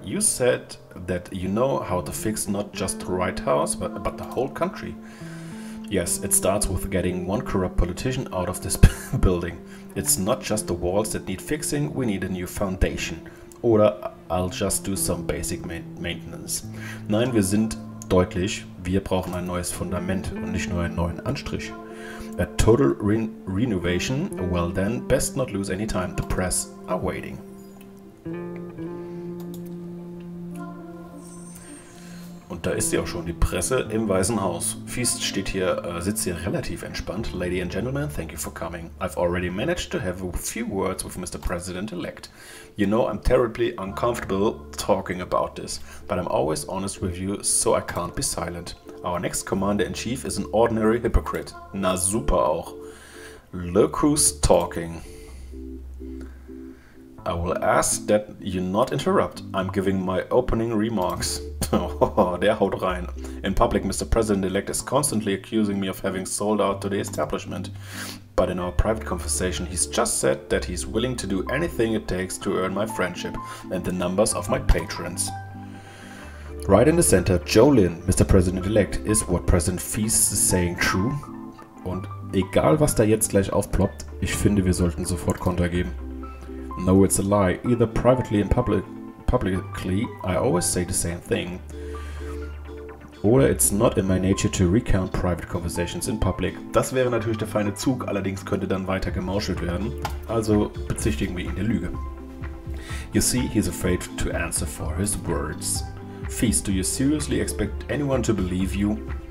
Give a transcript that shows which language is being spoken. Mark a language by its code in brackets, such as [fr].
[en] You said that you know how to fix not just the White House, but the whole country. Yes, it starts with getting one corrupt politician out of this building. It's not just the walls that need fixing, we need a new foundation. [de] Oder [en] I'll just do some basic maintenance. [de] Nein, wir sind deutlich, wir brauchen ein neues Fundament und nicht nur einen neuen Anstrich. [en] A total renovation, well then, best not lose any time, the press are waiting. [de] Und da ist sie auch schon, die Presse im Weißen Haus. Feast steht hier, sitzt hier relativ entspannt. [en] Ladies and gentlemen, thank you for coming. I've already managed to have a few words with Mr. President-elect. You know, I'm terribly uncomfortable talking about this, but I'm always honest with you, so I can't be silent. Our next commander-in-chief is an ordinary hypocrite. [de] Na super auch. [en] Look who's talking. I will ask that you not interrupt. I'm giving my opening remarks. [de] Oh, der haut rein. [en] In public, Mr. President-elect is constantly accusing me of having sold out to the establishment. But in our private conversation, he's just said that he's willing to do anything it takes to earn my friendship and the numbers of my patrons. Right in the center, Jolyn, Mr. President-elect, is what President Feast is saying true? [de] Und egal, was da jetzt gleich aufploppt, ich finde, wir sollten sofort Konter geben. [en] No, it's a lie. Either privately in public... Publicly, I always say the same thing. [de] Oder [en] it's not in my nature to recount private conversations in public. [de] Das wäre natürlich der feine Zug, allerdings könnte dann weiter gemauschelt werden. Also bezichtigen wir ihn der Lüge. [en] You see, he's afraid to answer for his words. Feast, do you seriously expect anyone to believe you?